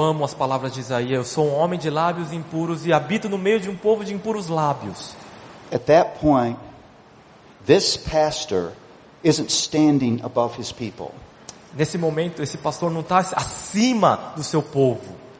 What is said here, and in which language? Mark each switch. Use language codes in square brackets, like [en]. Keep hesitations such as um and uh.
[pt] amo as palavras de Isaías. Eu sou um homem de lábios impuros e habito no meio de um povo de impuros lábios. [en] At that point, this pastor isn't standing above his people. [pt] Nesse momento, esse pastor não está acima do seu povo.